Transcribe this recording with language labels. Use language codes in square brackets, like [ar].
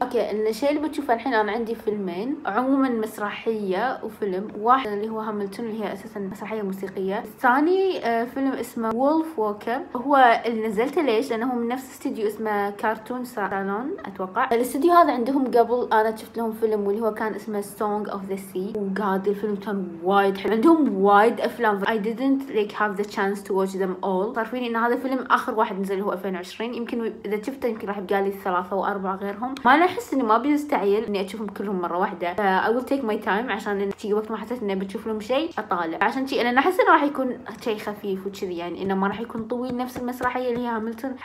[ar] اوكي ان الشيء اللي بتشوفه الحين انا عندي فيلمين عموما، مسرحيه وفيلم، واحد اللي هو هاملتون اللي هي اساسا مسرحيه موسيقيه، الثاني فيلم اسمه وولف ووكر. هو اللي نزلته ليش؟ لانه من نفس استديو اسمه كارتون سالون اتوقع. الاستديو هذا عندهم قبل انا شفت لهم فيلم واللي هو كان اسمه Song of the Sea، وقاد الفيلم كان وايد حلو. عندهم وايد افلام [en] I didn't like have the chance to watch them all. [ar] تعرفين ان هذا الفيلم اخر واحد نزل هو 2020، يمكن اذا شفته يمكن راح يبقالي ثلاثة او اربعة غيرهم. ما انا احس اني ما بيستعيل اني اشوفهم كلهم مرة واحدة، [en] I will take my time [ar] عشان في وقت ما حسيت اني بشوف لهم شيء اطالع، عشان شيء انا احس انه راح يكون شيء خفيف وكذي، يعني انه ما راح يكون طويل نفس المسرحية اللي هي هاملتون.